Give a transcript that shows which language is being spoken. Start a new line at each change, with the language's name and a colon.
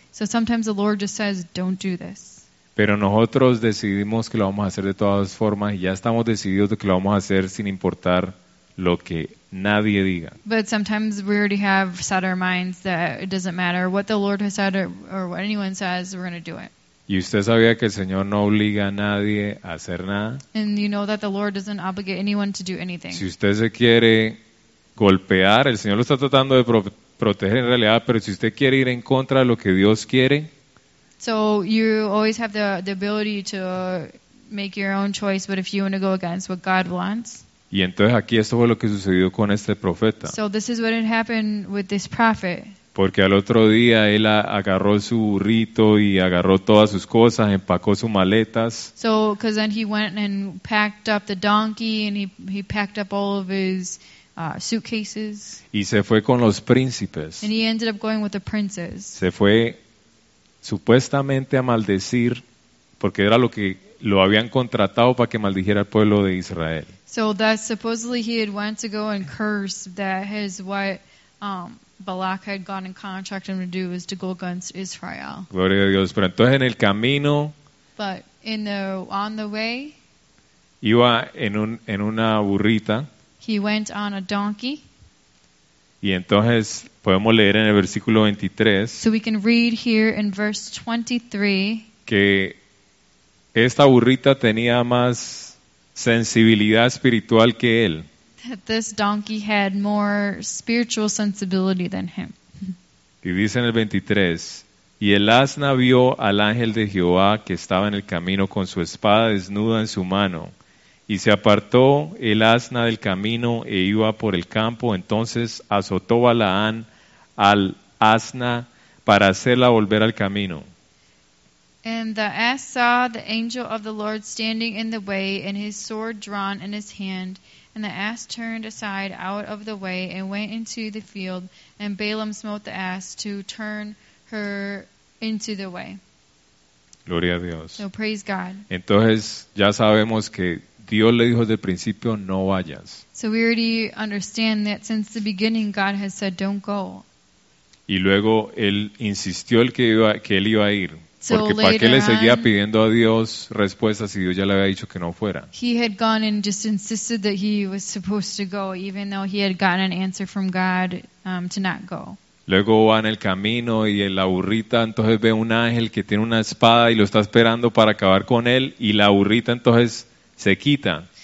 English: So sometimes the Lord just says don't do this.
Spanish: Pero nosotros decidimos que lo vamos a hacer de todas formas y ya estamos decididos de que lo vamos a hacer sin importar lo que nadie diga.
English: But sometimes we already have set our minds that it doesn't matter what the Lord has said or what anyone says, we're going to do it.
Spanish: ¿Y usted sabía que el Señor no obliga a nadie a hacer nada?
English: And you know that the Lord doesn't obligate anyone to do anything.
Spanish: Si usted se quiere golpear, el Señor lo está tratando de proteger en realidad, pero si usted quiere ir en contra de lo que Dios quiere.
English: So you always have the ability to make your own choice, but if you want to go against what God wants.
Spanish: Y entonces aquí esto fue lo que sucedió con este profeta.
English: So this is what had happened with this prophet.
Spanish: Porque al otro día él agarró su burrito y agarró todas sus cosas, empacó sus maletas.
English: So because then he went and packed up the donkey and he packed up all of his suitcases.
Spanish: Y se fue con los príncipes.
English: And he ended up going with the princes.
Spanish: Se fue supuestamente a maldecir, porque era lo que lo habían contratado para que maldijera al pueblo de Israel.
English: So that supposedly he had went to go and curse that his what Balak had gone and contracted him to do is to go against Israel.
Spanish: Gloria a Dios. Pero entonces en el camino,
English: but in the on the way,
Spanish: iba en una burrita.
English: He went on a donkey.
Spanish: Y entonces podemos leer en el versículo 23,
English: so we can read here in verse 23
Spanish: que esta burrita tenía más sensibilidad espiritual que él.
English: That this donkey had more spiritual sensibility than him.
Spanish: Y dice en el 23, y el asna vio al ángel de Jehová que estaba en el camino con su espada desnuda en su mano. Y se apartó el asna del camino e iba por el campo. Entonces azotó Balaán al asna para hacerla volver al camino.
English: And the ass saw the angel of the Lord standing in the way and his sword drawn in his hand. And the ass turned aside out of the way and went into the field. And Balaam smote the ass to turn her into the way.
Spanish: Gloria a Dios.
English: So praise God.
Spanish: Entonces ya sabemos que Dios le dijo desde el principio no vayas.
English: So we already understand that since the beginning God has said don't go.
Spanish: Y luego él insistió que él iba a ir, porque para qué le seguía pidiendo a Dios respuestas si Dios ya le había dicho que no fuera.
English: He had gone and just insisted that he was supposed to go even though he had gotten an answer from God to not go.
Spanish: Luego va en el camino y en la burrita entonces ve un ángel que tiene una espada y lo está esperando para acabar con él y la burrita entonces se quita.